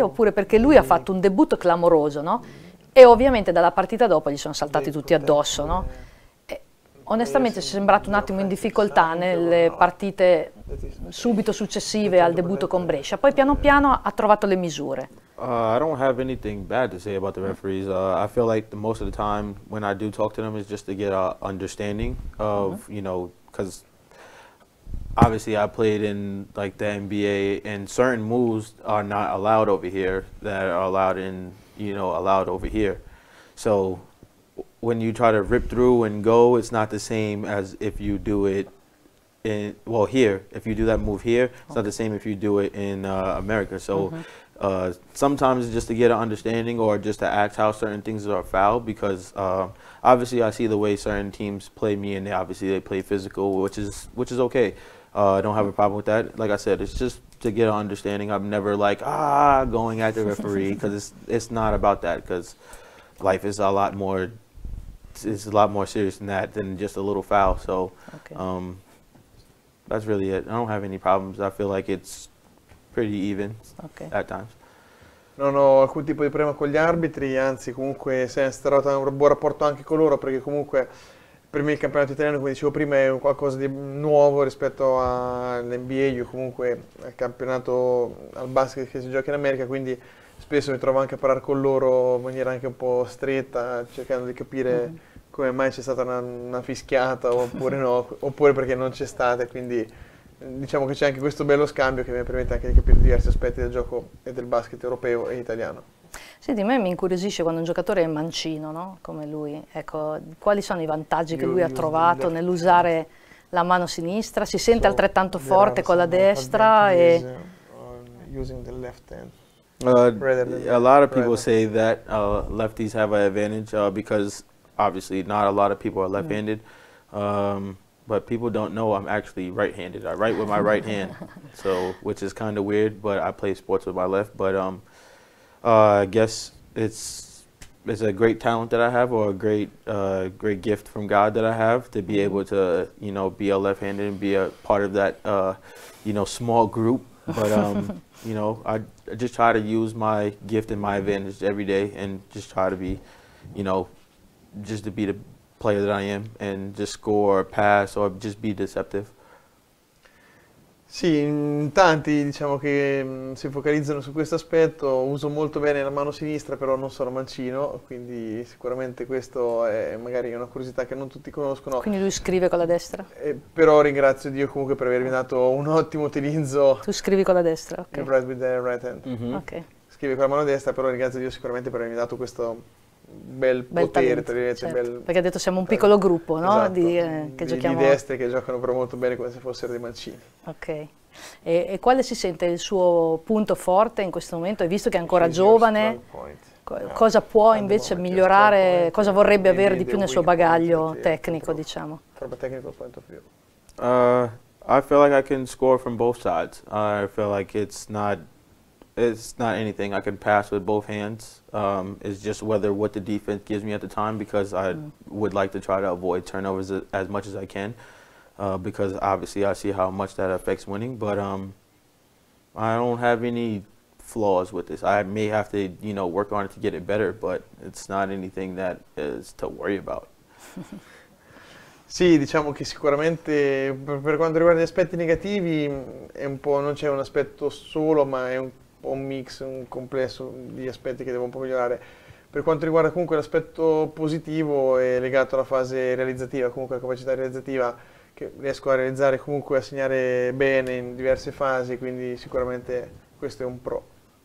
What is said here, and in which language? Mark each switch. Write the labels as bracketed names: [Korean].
[Italian] Oppure perché lui ha fatto un debutto clamoroso, no? E ovviamente dalla partita dopo gli sono saltati tutti addosso, no? Onestamente è sembrato un attimo in difficoltà nelle partite subito successive al debutto con Brescia, poi piano piano ha trovato le misure. [English] I don't have anything bad to say about the referees. I feel like the most of the time when I do talk to them is just to get a understanding of, you know, because obviously I played in like the NBA and certain moves are not allowed over here that are allowed in, you know, allowed over here. So when you try to rip through and go, it's not the same as if you do it in, well, here. If you do that move here, it's not the same if you do it in America. So sometimes it's just to get an understanding or just to ask how certain things are fouled, because obviously I see the way certain teams play me, and they obviously they play physical, which is okay. I don't have a problem with that. Like I said, it's just to get an understanding. I'm never like, going at the referee, because it's not about that, because life is a lot more... It's a lot more serious than that, than just a little foul. So that's really it. I don't have any problems. I feel like it's pretty even at times. [Italian] Non ho alcun tipo di problema con gli arbitri, anzi comunque sono stato in un buon rapporto anche con loro, perché comunque per me il campionato italiano, come dicevo prima, è qualcosa di nuovo rispetto all'NBA o comunque al campionato, al basket che si gioca in America, quindi spesso mi trovo anche a parlare con loro in maniera anche un po' stretta, cercando di capire come mai c'è stata una fischiata oppure no, oppure perché non c'è stata, quindi diciamo che c'è anche questo bello scambio che mi permette anche di capire diversi aspetti del gioco e del basket europeo e italiano. Senti, a me mi incuriosisce quando un giocatore è mancino, no? Come lui, ecco, quali sono i vantaggi che lui ha trovato nell'usare la mano sinistra? Si sente altrettanto forte con la destra? [English] Using the left hand. A lot of people say that lefties have an advantage because obviously not a lot of people are left-handed. But people don't know I'm actually right-handed. I write with my right hand, so which is kind of weird, but I play sports with my left. But I guess it's a great talent that I have, or a great great gift from God that I have to be able to, you know, be a left-handed and be a part of that you know, small group. But you know, I just try to use my gift and my advantage every day, and just try to be, you know, just to be the player that I am, and just score or pass or just be deceptive. [Italian] Sì, tanti diciamo che si focalizzano su questo aspetto. Uso molto bene la mano sinistra, però non sono mancino, quindi sicuramente questo è magari una curiosità che non tutti conoscono. Quindi lui scrive con la destra? Però ringrazio Dio comunque per avermi dato un ottimo utilizzo. Tu scrivi con la destra, ok. [English] Write with the right hand. Mm-hmm. Okay. [Italian] Scrive con la mano destra, però ringrazio Dio sicuramente per avermi dato questo bel potere, talento, tra certo. Bel, perché ha detto siamo un piccolo gruppo, no? Esatto, di destre che giocano però molto bene come se fossero dei mancini. Ok, e quale si sente il suo punto forte in questo momento? Hai visto che è ancora giovane, cosa può invece migliorare, cosa vorrebbe avere di più nel suo bagaglio tecnico, diciamo? [English] From a technical point of view. I feel like I can score from both sides. I feel like it's not anything. I can pass with both hands. It's just whether what the defense gives me at the time, because I would like to try to avoid turnovers as much as I can, because obviously I see how much that affects winning. But I don't have any flaws with this. I may have to, you know, work on it to get it better, but it's not anything that is to worry about. [Italian] Sì, diciamo che sicuramente per quanto riguarda gli aspetti negativi è un po', non c'è un aspetto solo, ma è un mix, un complesso di aspetti che devo un po' migliorare. Per quanto riguarda comunque l'aspetto positivo, è legato alla fase realizzativa, comunque la capacità realizzativa che riesco a realizzare, comunque a segnare bene in diverse fasi, quindi sicuramente questo è un pro.